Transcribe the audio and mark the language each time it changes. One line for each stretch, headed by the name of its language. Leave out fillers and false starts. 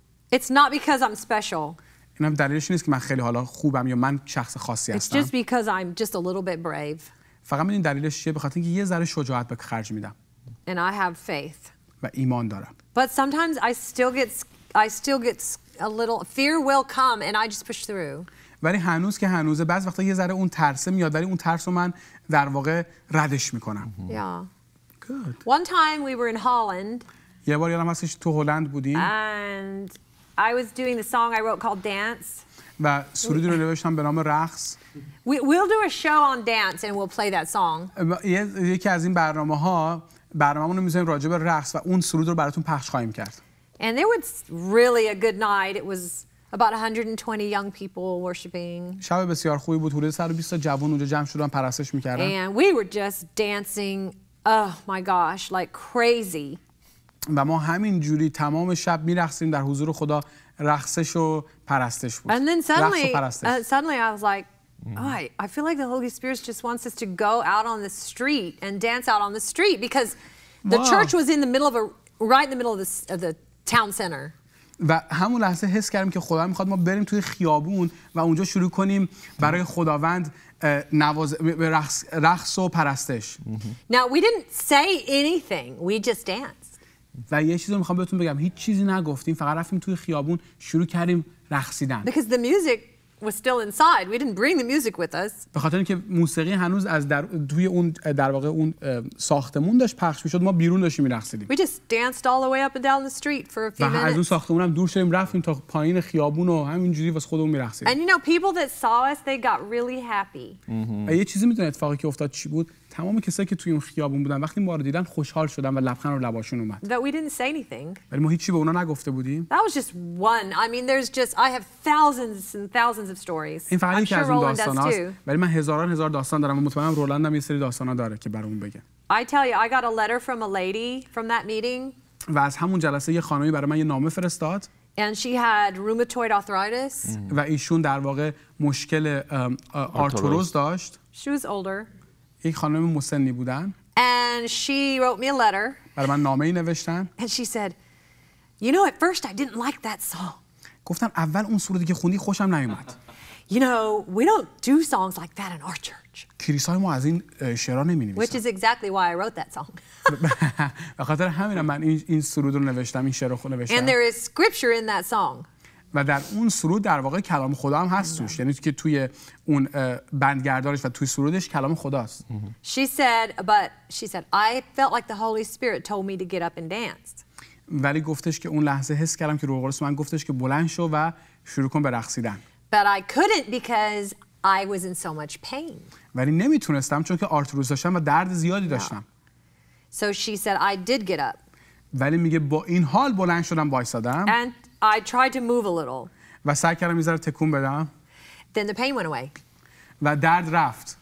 English: It's not because I'm special.
Persian: این هم دلیلش نیست که من خیلی حالا خوبم یا من شخص خاصی هستم.
English: It's just because I'm just a little bit brave.
Persian: فقط من این دلیلش چیه؟ بخاطر اینکه یه ذره شجاعت به خرج میدم.
English: And I have faith.
Persian: و ایمان دارم.
English: But sometimes I still get a little fear will come and I just push through.
Persian: ولی هنوز که هنوزه، بعض وقتا یه ذره اون ترس میاد، ولی اون ترس رو من در واقع ردش میکنم.
English: Good. One time we were in Holland.
Persian: یه بار یادم هستش تو هلند بودیم.
English: And I was doing the song I wrote called Dance.
Persian: و سرودی رو نوشتم به نام رقص.
English: We'll do a show on dance and we'll play that song.
Persian: یکی از این برنامه‌ها برنامه‌مون رو می‌ذاریم راجع به رقص و اون سرود رو براتون پخش خواهیم کرد.
English: And it was really a good night. It was about 120 young people worshiping.
Persian: شب بسیار خوبی بود. حدود 120 جوان اونجا جمع شدن پرستش می‌کردن.
English: And we were just dancing, oh my gosh, like crazy.
Persian: و ما همین جوری تمام شب می‌رقصیم در حضور خدا. رقصش و پرستش بود.
English: And then suddenly, suddenly I was like, I feel like the Holy Spirit just wants us to go out on the street and dance out on the street because the church was in the middle of a right in the middle of the town center.
Persian: و همون لحظه حس کردم که خدا میخواد ما بریم توی خیابون و اونجا شروع کنیم برای خداوند نواز رقص و پرستش.
English: Now we didn't say anything. We just danced.
Persian: و یه چیزی میخوام بهتون بگم، هیچ چیزی نگفتیم، فقط رفتیم توی خیابون شروع کردیم رقصیدن.
English: Because the music was still inside. We didn't bring the music with us.
Persian: به خاطر اینکه موسیقی هنوز از توی اون در واقع اون ساختمون داشت پخش می‌شد، ما بیرون داشتیم می‌رقصیدیم.
English: We just danced all the way up and down the street for a few minutes.
Persian: از اون ساختمون هم دور شدیم، رفتیم تا پایین خیابون و همینجوری واسه خودمون می‌رقصیدیم.
English: And you know, people that saw us, they got really happy.
Persian: یه چیزی می‌دونید اتفاقی که افتاد چی بود؟ تمام کسایی که توی اون خیابون بودن وقتی ما رو دیدن خوشحال شدن و لبخند رو لباشون اومد.
English: That we didn't say anything.
Persian: ولی ما هیچی به اونا نگفته بودیم.
English: That was just one. I mean, there's just I have thousands and thousands of stories.
Persian: این فقط یکی از اون داستان هاست. ولی من هزاران هزار داستان دارم و مطمئنم رولند هم یه سری داستان ها داره که برامون بگه.
English: I tell you, I got a letter from a lady from that meeting.
Persian: و از همون جلسه یه خانمی برای من یه نامه فرستاد.
English: And she had rheumatoid arthritis.
Persian: و ایشون در واقع مشکل آرتروز داشت.
English: She was older.
Persian: یک خانم مسنی بودن.
English: And she wrote me a letter.
Persian: برای من نامه ای نوشتن.
English: And she said, you know, at first I didn't like that song.
Persian: گفتم اول اون سرودی که خوندی خوشم نیومد.
English: You know, we don't do songs like that in our church.
Persian: کلیسای ما از این شعرا نمی نویسن.
English: Which is exactly why I wrote that song.
Persian: به خاطر همین من این سرود رو نوشتم، این شعر رو نوشتم.
English: And there is scripture in that song.
Persian: و در اون سرود در واقع کلام خدا هم هست توش، یعنی که توی اون بندگردارش و توی سرودش کلام خداست.
English: She said, but she said, I felt like the Holy Spirit told me to get up and dance.
Persian: ولی گفتش که اون لحظه حس کردم که روح القدس من گفتش که بلند شو و شروع کن به رقصیدن.
English: But I couldn't because I was in so much pain.
Persian: ولی نمیتونستم چون که آرتروز داشتم و درد زیادی داشتم.
English: So she said, I did get up.
Persian: ولی میگه با این حال بلند شدم وایسادم.
English: I tried to move a little.
Persian: و سعی کردم یه ذره تکون بدم.
English: Then the pain went away.
Persian: و درد رفت.